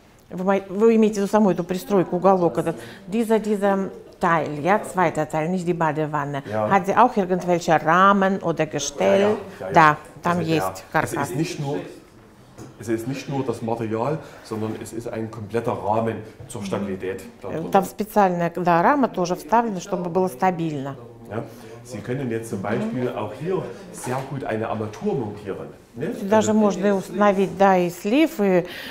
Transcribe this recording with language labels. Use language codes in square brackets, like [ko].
[ru] Вы имеете в виду саму эту пристройку, уголок этот. [de] Dieser Teil, ja, zweiter Teil, nicht die Badewanne. Ja. Hat sie auch irgendwelche Rahmen oder Gestell? Ja, ja. Da, dann ist Karkass. Es ist nicht nur das Material, sondern es ist ein kompletter Rahmen zur Stabilität. [ru] Там специальная, да, рама тоже вставлена, чтобы было стабильно. [de] Ja. Sie können jetzt zum Beispiel auch hier sehr gut eine Armatur montieren. [ru] Даже можно установить, да, и слив, и...